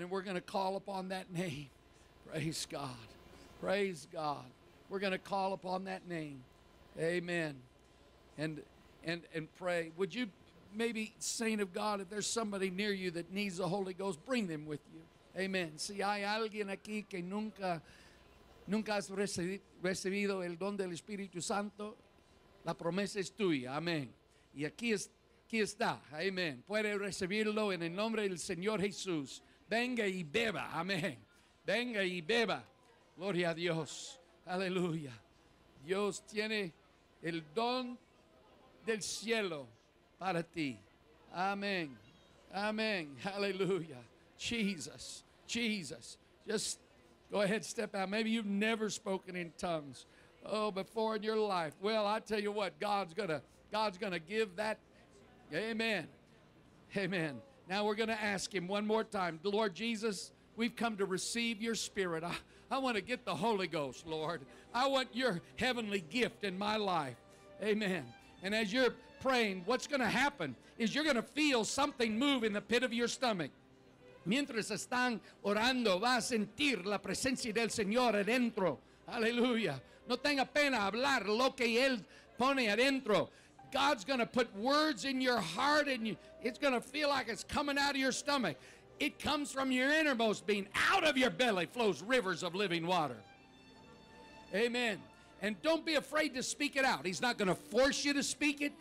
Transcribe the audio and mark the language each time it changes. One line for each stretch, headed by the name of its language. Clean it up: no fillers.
English: And we're going to call upon that name. Praise God. Praise God. We're going to call upon that name. Amen. And pray. Would you maybe, saint of God, if there's somebody near you that needs the Holy Ghost, bring them with you. Amen.
Spanish: Si hay alguien aquí que nunca has recibido el don del Espíritu Santo, la promesa es tuya. Amén. Y aquí está. Amén. Puede recibirlo en el nombre del Señor Jesús. Venga y beba. Amén. Venga y beba. Gloria a Dios. Aleluya. Dios tiene el don del cielo para ti. Amén. Amén. Aleluya.
English: Jesus. Jesus. Just go ahead, step out. Maybe you've never spoken in tongues. Oh, before in your life. Well, I tell you what, God's gonna give that. Amen. Amen. Now we're going to ask him one more time. Lord Jesus, we've come to receive your spirit. I want to get the Holy Ghost, Lord. I want your heavenly gift in my life. Amen. And as you're praying, what's going to happen is you're going to feel something move in the pit of your stomach.
Spanish: Mientras están orando, va a sentir la presencia del Señor adentro. Aleluya. No tenga pena hablar lo que Él pone adentro.
English: God's going to put words in your heart, and it's going to feel like it's coming out of your stomach. It comes from your innermost being. Out of your belly flows rivers of living water. Amen. And don't be afraid to speak it out. He's not going to force you to speak it.